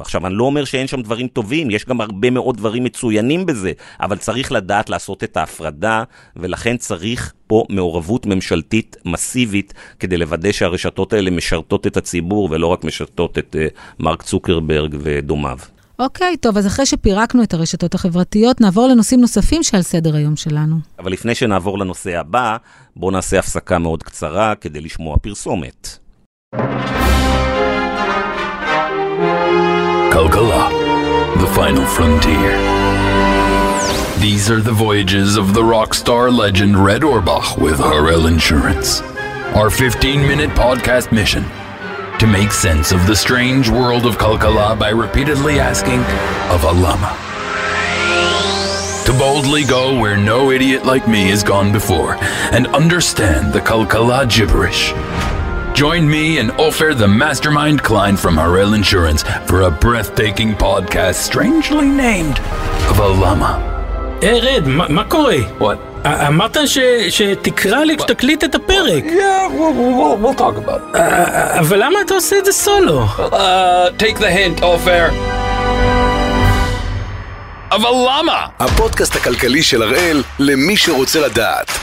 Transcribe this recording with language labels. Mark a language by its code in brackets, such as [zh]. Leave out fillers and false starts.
[he] עכשיו, אני לא אומר שאין שם דברים טובים, יש גם הרבה מאוד דברים מצוינים בזה, אבל צריך לדעת לעשות את ההפרדה, ולכן צריך פה מעורבות ממשלתית מסיבית, כדי לוודא שהרשתות האלה משרתות את הציבור, ולא רק משרתות את מרק צוקרברג ודומיו. אוקיי, טוב, אז אחרי שפירקנו את הרשתות החברתיות, נעבור לנושאים נוספים שעל סדר היום שלנו. אבל לפני שנעבור לנושא הבא, בואו נעשה הפסקה מאוד קצרה כדי לשמוע פרסומת. [en] כלכלה, the final frontier. These are the voyages of the rock star legend Red Orbach with Harel Insurance. Our 15-minute podcast mission. To make sense of the strange world of Kalkala by repeatedly asking of a Lama. to boldly go where no idiot like me has gone before and understand the Kalkala gibberish. Join me and Ofer the Mastermind Klein from Harel Insurance for a breathtaking podcast strangely named Valama. [he] Hey Red, מה קורה? [en] What? [he] אמרת שתקרא לי כשתקליט את הפרק. [en] Yeah, we'll talk about it. [he] אבל למה אתה עושה את זה סולו? [en] Take the hint, Ofer. [he] אבל למה? הפודקאסט הכלכלי של הראל למי שרוצה לדעת.